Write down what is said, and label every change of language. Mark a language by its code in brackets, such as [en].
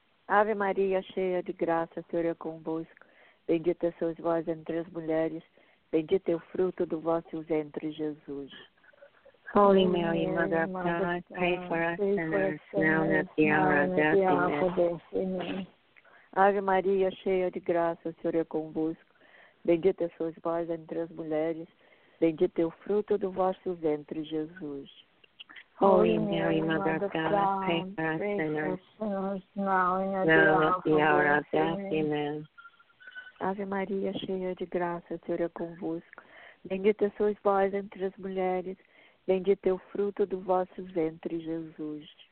[pt] Ave Maria, cheia de graça, o Senhor é convosco. Bendita sois vós entre as mulheres. Bendito é o fruto do vosso ventre, Jesus. [en] Holy Mary, Mother of God, pray for us sinners now and at the hour of death. Amen. [pt] Ave Maria, cheia de graça, o Senhor é convosco. Bendita sois vós entre as mulheres. Bendito é o fruto do vosso ventre, Jesus. [en] Holy Mary, Mother of God, pray for us sinners now and at the hour of death. Amen. [pt] Ave Maria, cheia de graça, o Senhor é convosco. Bendita sois vós entre as mulheres. Bendito é o fruto do vosso ventre, Jesus.